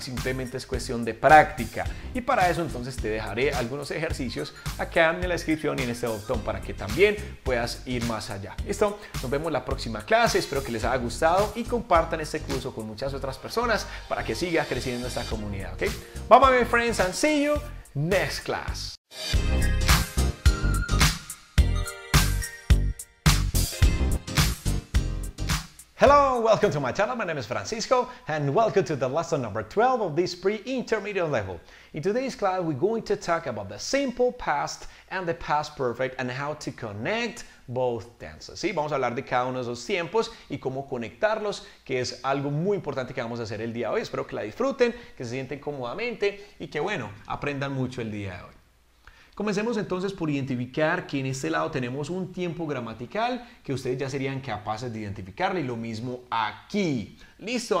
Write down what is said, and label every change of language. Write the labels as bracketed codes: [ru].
[es] Simplemente es cuestión de práctica. Y para eso, entonces, te dejaré algunos ejercicios acá en la descripción y en este botón para que también puedas ir más allá. ¿Listo? Nos vemos la próxima clase. Espero que les haya gustado y compartan este curso con muchas otras personas para que siga creciendo esta comunidad. ¿Ok? [en] Bye, bye, my friends, and see you next class. Hello, welcome to my channel. My name is Francisco and welcome to the lesson number 12 of this pre-intermedio level. In today's class, we're going to talk about the simple past and the past perfect and how to connect both tenses. [es] ¿Sí? Vamos a hablar de cada uno de esos tiempos y cómo conectarlos, que es algo muy importante que vamos a hacer el día de hoy. Espero que la disfruten, que se sienten cómodamente y que, bueno, aprendan mucho el día de hoy. Comencemos entonces por identificar que en este lado tenemos un tiempo gramatical que ustedes ya serían capaces de identificarle y lo mismo aquí. ¿Listo?